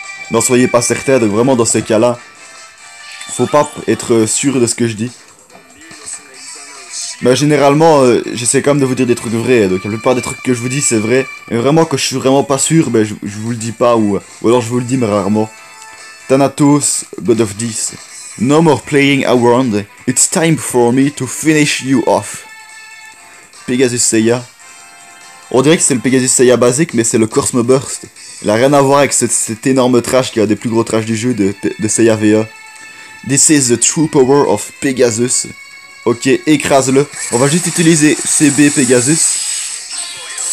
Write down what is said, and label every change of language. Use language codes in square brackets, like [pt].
[fr] N'en soyez pas certain, donc vraiment dans ces cas-là, faut pas être sûr de ce que je dis. Mais généralement, j'essaie quand même de vous dire des trucs vrais, donc la plupart des trucs que je vous dis c'est vrai. Mais vraiment, quand je suis vraiment pas sûr, ben je vous le dis pas, ou alors je vous le dis mais rarement. [en] Thanatos, God of Death. No more playing around, it's time for me to finish you off. Pegasus Seiya. [fr] On dirait que c'est le Pegasus Seiya basique, mais c'est le Cosmo Burst. Il a rien à voir avec cet énorme trash qui est un des plus gros trash du jeu de Seiya VE. [en] This is the true power of Pegasus. [fr] Ok, écrase-le. On va juste utiliser CB Pegasus.